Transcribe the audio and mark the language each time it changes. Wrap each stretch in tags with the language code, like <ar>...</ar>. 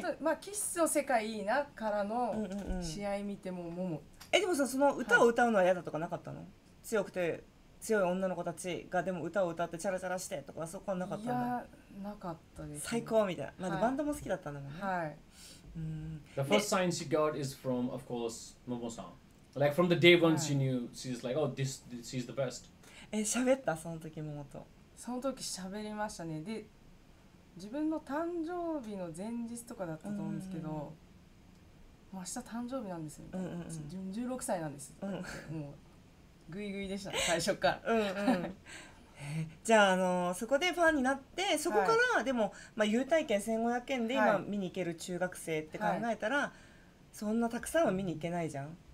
<ja>まあ、キッスの世界いいなからの試合見てもモモ。え、でもさ、その歌を歌うのは嫌だとかなかったの？強くて、強い女の子たちがでも歌を歌ってチャラチャラしてとか、そこはなかったの？いや、なかったです。最高みたいな。まあ、バンドも好きだったんだもんね。はい。</ja> <en>The first sign she got is from, of course, Momo-san. Like from the day one she knew, she's like, oh, this is the best.</en> <ja>え、喋った？その時ももと。その時喋りましたね。で、自分の誕生日の前日とかだったと思うんですけど、もう明日誕生日なんですよ。 16歳なんです。もうグイグイでした、最初から。じゃあ、そこでファンになって、そこから、はい、でも、まあ、優待券1500円で今見に行ける中学生って考えたら、はい、そんなたくさんは見に行けないじゃん。</ja>